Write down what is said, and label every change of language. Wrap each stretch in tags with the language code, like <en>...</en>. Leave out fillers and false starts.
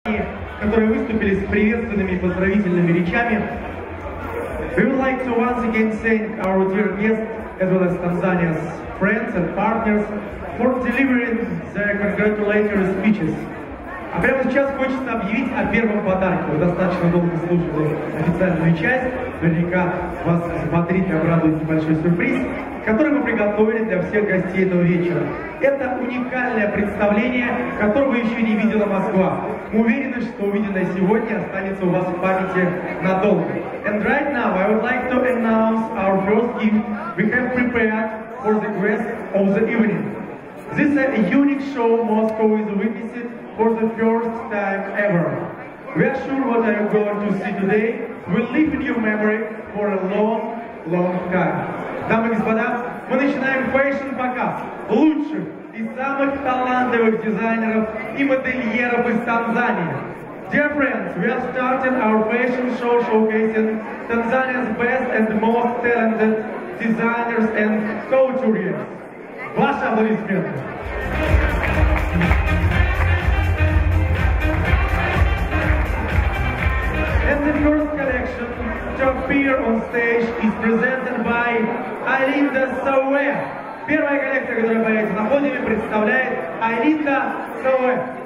<ru>которые выступили с приветственными и поздравительными речами.</ru> <en>We would like to once again thank our dear guests, as well as Tanzania's friends and partners, for delivering their congratulatory speeches.</en> <ru>А прямо сейчас хочется объявить о первом подарке. Вы достаточно долго слушали официальную часть. Наверняка вас смотрите, обрадуете большой сюрприз, который мы приготовили для всех гостей этого вечера. Это уникальное представление, которого еще не видела Москва. Мы уверены, что увиденное сегодня останется у вас в памяти надолго.</ru> <en>And right now I would like to announce our first gift we have prepared for the guests of the evening. This is a unique show Moscow is witnessing for the first time ever. We are sure what you are going to see today will live in your memory for a long, long time.</en> <ru>Дамы и господа, мы начинаем фэшн-показ лучших и самых талантливых дизайнеров и модельеров из Танзании.</ru> <en>Dear friends, we are starting our fashion show showcasing Tanzania's best and most talented designers and couturiers.</en> <ru>Ваши аплодисменты!</ru> <en>And the first collection to appear on stage is presented by Ailinda Sawe.</en> <ru>Первая коллекция, которая появится на подиуме, представляет Ailinda Sawe.</ru>